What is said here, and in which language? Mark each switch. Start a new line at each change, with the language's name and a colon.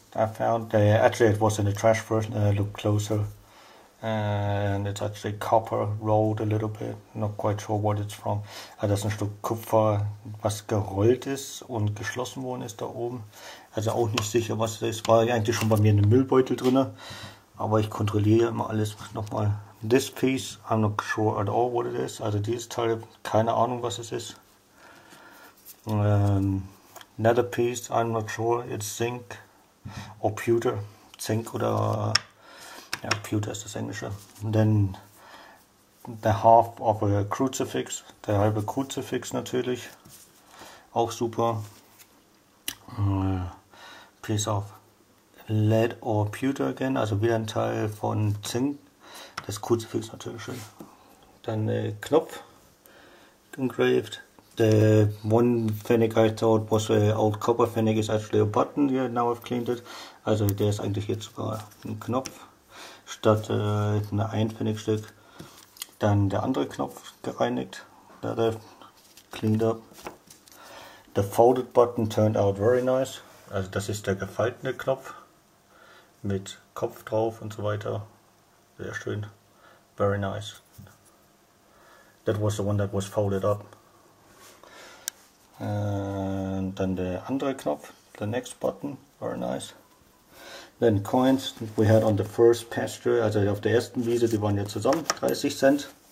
English: I found actually it was in the trash first. Look closer. And it's actually copper rolled a little bit, not quite sure what it's from.
German: Also das ist ein Stück Kupfer, was gerollt ist und geschlossen worden ist da oben. Also auch nicht sicher, was das ist. War eigentlich schon bei mir in einem Müllbeutel drin. Aber ich kontrolliere ja immer alles nochmal.
English: This piece, I'm not sure at all what it is.
German: Also dieses Teil, keine Ahnung, was es ist.
English: Another piece, I'm not sure, it's zinc or pewter.
German: Zink oder... Ja, Pewter ist das Englische. Dann
English: the half of a crucifix,
German: der halbe Crucifix natürlich, auch super.
English: Piece of lead or pewter again,
German: also wieder ein Teil von Zink. Das Crucifix natürlich schön. Dann Knopf engraved.
English: The one pfennig I thought was an old copper pfennig is actually a button. Yeah, now I've cleaned it.
German: Also der ist eigentlich jetzt sogar ein Knopf. statt ein Einpfennigstück dann der andere Knopf gereinigt. Ja, der
English: cleaned up. The folded button turned out very nice.
German: Also das ist der gefaltene Knopf mit Kopf drauf und so weiter. Sehr schön.
English: Very nice. That was the one that was folded up. And then the
German: andere Knopf,
English: the next button, very nice. Then coins we had on the first pasture,
German: also auf der ersten Wiese, die waren ja zusammen, 30 Cent.